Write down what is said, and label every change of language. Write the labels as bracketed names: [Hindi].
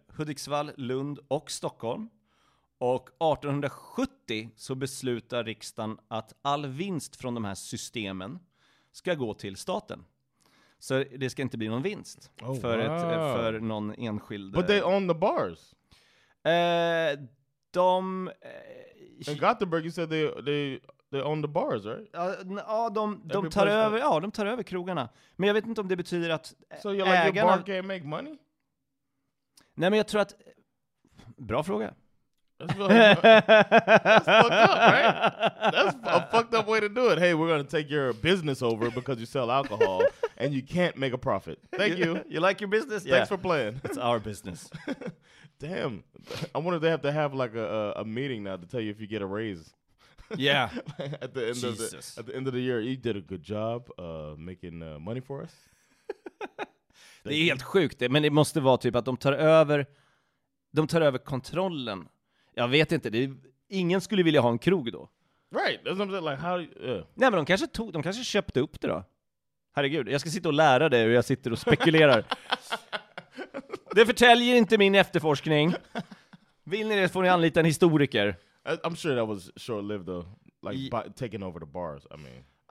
[Swedish] Hudiksvall, Lund och Stockholm. Och 1870 så beslutar riksdagen att all vinst från de här systemen ska gå till staten. Så det ska inte bli någon vinst för någon enskild. [English] But they own the bars. [Swedish] De... [English] In Gothenburg, you said they own the bars, right? [Swedish] Ja, de tar över krogarna. Men jag vet inte om det betyder att [English] so you're like ägarna... your bar can't make money? [Swedish] Nej, men jag tror att... Bra fråga. [English] That's fucked up, right? That's a fucked up way to do it. Hey, we're gonna take your business over because you sell alcohol and you can't make a profit. Thank you. You like your business? Thanks for playing. It's our business. Damn. I wonder if they have to have like a meeting now to tell you if you get a raise. Yeah. At the end of the year, you did a good job making money for us. [Swedish] Det är helt sjukt. Men det måste vara typ att de tar över kontrollen. Jag vet inte, ingen skulle vilja ha en krog då. [English] Right, that's what I'm saying, like how... [Swedish] Nej, men de kanske köpte upp det då. Herregud, jag ska sitta och lära dig hur jag sitter och spekulerar. Det förtäljer inte min efterforskning. Vill ni det får ni anlita en historiker. [English] I'm sure that was short-lived though. Like, taking over the bars, I mean.